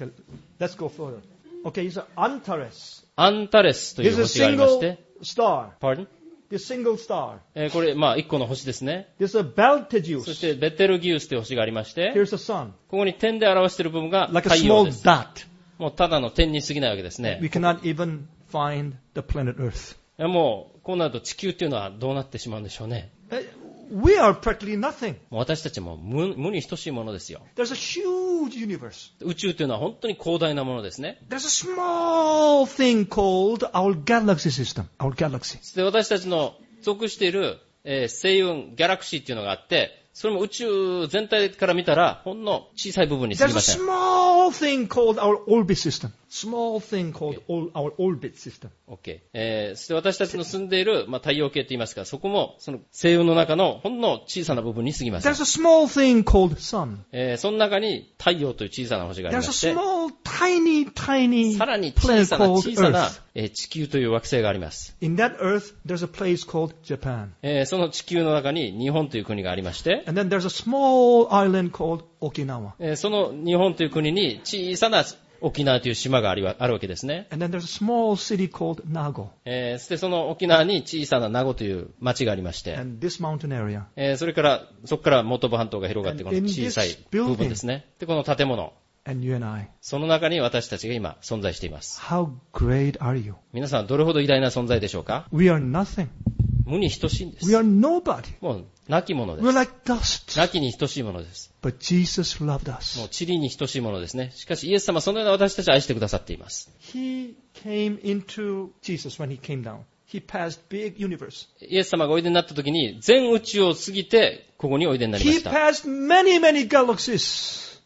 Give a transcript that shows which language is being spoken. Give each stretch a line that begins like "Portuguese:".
English: Okay, let's go further. Okay, it's Antares.
Japanese: Antares という星がありまして、
English: star. Pardon? This single star.
Japanese: これまあ一個の星ですね。
English: This is Betelgeuse.
Japanese: そしてベテルギウスという星がありまして、
English: Here's the sun.
Japanese: ここに点で表している部分が太陽です。
English: Like a small dot.
Japanese: もうただの点に過ぎないわけですね。
English: We cannot even find the planet Earth.
Japanese: もうこうなると地球というのはどうなってしまうんでしょうね。
English: We are practically nothing.
Japanese: 私たちも無に等しいものですよ。
English: There's a huge universe.
Japanese: 宇宙というのは本当に広大なものですね。
English: There's a small thing called our galaxy system. Our galaxy.
Japanese: で私たちの属している、星雲、ギャラクシーというのがあって、それも宇宙全体から見たらほんの小さい部分に過ぎません。
English: There's a small thing called our orbit system. Small thing called our orbit system. OK.
Japanese: そして私たちの住んでいる、まあ、太陽系といいますか、そこもその星雲の中のほんの小さな部分に過ぎません。
English: There's a small thing called sun.
Japanese: その中に太陽という小さな星がありまして、
English: There's a small, tiny, tiny,
Japanese: さらに小さな地球という惑星があります。
English: In that earth, there's a place called Japan.
Japanese: その地球の中に日本という国がありまして、
English: And then there's a small island called Okinawa.
Japanese: その日本という国に小さな沖縄という島があるわけですね。
English: And then there's a small city called Nago.
Japanese: そしてその沖縄に小さな名護という町がありまして、
English: And this mountain area.
Japanese: それからそこから本部半島が広がって、この小さい部分ですね。で、この建物。
English: And you and I.
Japanese: その中に私たちが今存在しています。
English: How great are you?
Japanese: 皆さんどれほど偉大な存在でしょうか?
English: We are nothing.
Japanese: 無に等しいんです。
English: We are nobody.
Japanese: もう亡きものです。
English: We're like dust.
Japanese: 亡きに等しいものです。
English: But Jesus loved us.
Japanese: もう塵に等しいものですね。しかしイエス様はそのような私たちを愛してくださっています。
English: He came into Jesus when he came down. He passed big universe.
Japanese: イエス様がおいでになった時に全宇宙を過ぎてここにおいでになりました。
English: He passed many, many galaxies.